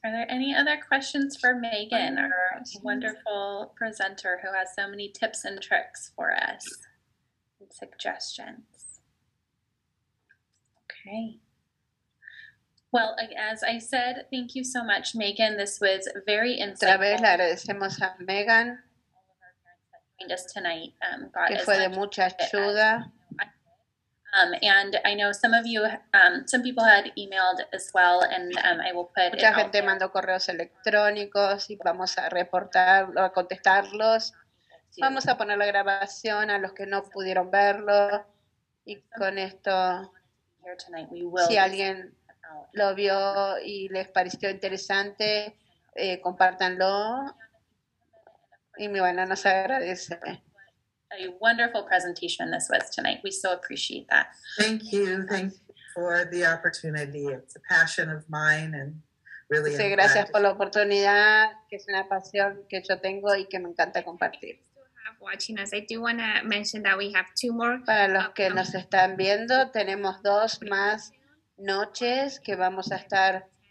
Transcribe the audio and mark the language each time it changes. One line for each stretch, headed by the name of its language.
English: Are there any other questions for Megan, our wonderful presenter who has so many tips and tricks for us and suggestions? Okay. Well, as I said, thank you so much, Megan. This was very insightful.
Spanish: Otra vez le agradecemos a Megan.
English: Just tonight,
Spanish: got que fue de mucha ayuda.
English: And I know some of you, some people had emailed as well, and I will put.
Spanish: Mucha gente mandó correos electrónicos y vamos a reportarlo, a contestarlos. Vamos a poner la grabación a los que no pudieron verlo. Y con esto, si alguien lo vio y les pareció interesante, compártanlo y me van a nos agradecer.
English: A wonderful presentation this was tonight. We so appreciate that. Thank you. Thank you for the opportunity. It's a passion of mine and really
Spanish: Sí, gracias por la oportunidad, que es una pasión que yo tengo y que me encanta compartir.
English: Watching us, I do want to mention that we have two more.
Spanish: Para los que nos están viendo, tenemos dos más noches que vamos a estar.